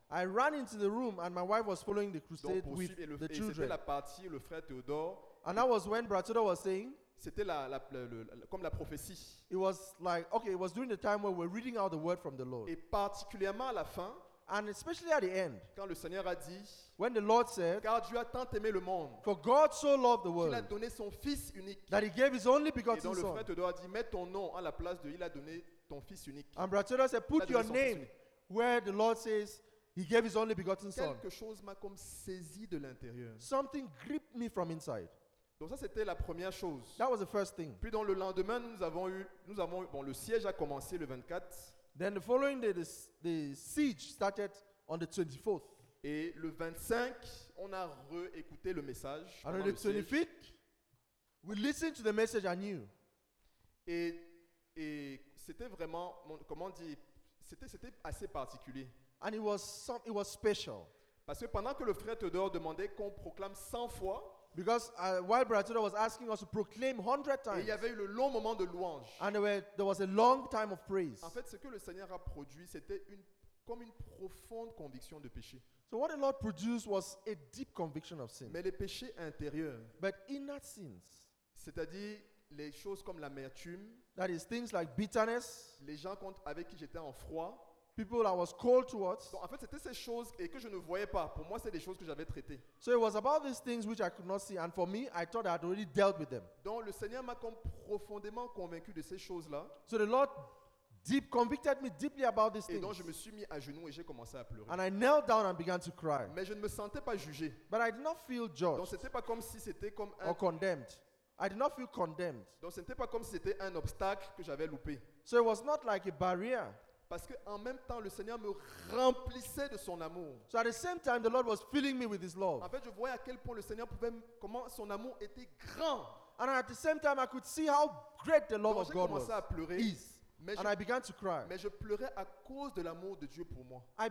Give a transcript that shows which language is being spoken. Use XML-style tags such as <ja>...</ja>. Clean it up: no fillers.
<en>I ran into the room and my wife was following the crusade</en> <fr>donc,</fr> <en>with</en> <fr>et le,</fr> <en>the</en> <fr>et</fr> <en>children.</en> <fr>C'était la partie le frère Théodore.</fr> <en>And that was when Brother Théodore was saying.</en> <fr>C'était comme la prophétie.</fr> <en>It was like okay, it was during the time where we're reading out the word from the Lord.</en> <fr>Et particulièrement à la fin.</fr> <en>And especially at the end.</en> <fr>Quand le Seigneur a dit.</fr> <en>When the Lord said.</en> <fr>Car Dieu a tant aimé le monde.</fr> <en>For God so loved the world.</en> <fr>Il a donné son Fils unique.</fr> <en>That He gave His only begotten Son.</en> <fr>Et donc le frère Théodore a dit, mets ton nom à la place de, il a donné ton Fils unique.</fr> <en>And Brother Théodore said, put your name where the Lord says He gave His only begotten Son.</en> <fr>Quelque chose m'a comme saisi de l'intérieur.</fr> <en>Something gripped me from inside.</en> <fr>Donc ça c'était la première chose.</fr> <en>That was the first thing.</en> <fr>Puis dans le lendemain nous avons eu le siège a commencé le 24.</fr> <en>Then the following day the siege started on the 24th.</en> <fr>Et le 25 on a réécouté le message.</fr> <en>And on the 25th we listened to the message anew.</en> <fr>Et c'était vraiment c'était assez particulier.</fr> <en>And it was special.</en> <fr>Parce que pendant que le frère Théodore demandait qu'on proclame 100 fois.</fr> <en>Because while Brother Théodore was asking us to proclaim 100 times.</en> <fr>Et il y avait eu le long moment de louange.</fr> <en>And there was a long time of praise.</en> <fr>En fait, ce que le Seigneur a produit, c'était comme une profonde conviction de péché.</fr> <en>So what the Lord produced was a deep conviction of sin.</en> <fr>Mais les péchés intérieurs.</fr> <en>But inner sins.</en> <fr>C'est-à-dire les choses comme l'amertume,</fr> <en>that is things like bitterness,</en> <fr>les gens avec qui j'étais en froid,</fr> <en>people I was cold towards.</en> <fr>Donc, en fait, c'était ces choses et que je ne voyais pas. Pour moi, c'est des choses que j'avais traitées.</fr> <en>So it was about these things which I could not see, and for me, I thought I had already dealt with them.</en> <fr>Donc, le Seigneur m'a comme profondément convaincu de ces choses-là.</fr> <en>So the Lord deep convicted me deeply about these things.</en> <fr>Et donc, je me suis mis à genoux et j'ai commencé à pleurer.</fr> <en>And I knelt down and began to cry.</en> <fr>Mais je ne me sentais pas jugé.</fr> <en>But I did not feel judged.</en> <fr>Donc, c'était pas comme si c'était comme un</fr> <en>or condemned. I did not feel condemned.</en> <fr>Donc, c'était pas comme si c'était un obstacle que j'avais loupé.</fr> <en>So it was not like a barrier.</en> <fr>Parce que en même temps, le Seigneur me remplissait de son amour.</fr> <en>So at the same time, the Lord was filling me with His love.</en> <fr>En fait, je voyais à quel point le Seigneur pouvait, comment son amour était grand.</fr> <en>And at the same time, I could see how great the love</en> <fr>donc,</fr> <en>of God was.</en> <fr>Donc, j'ai commencé à pleurer.</fr> <en>Is.</en> <fr>Mais</fr> <en>and je, I began to cry.</en> <fr>Mais je pleurais à cause de l'amour de Dieu pour moi.</fr>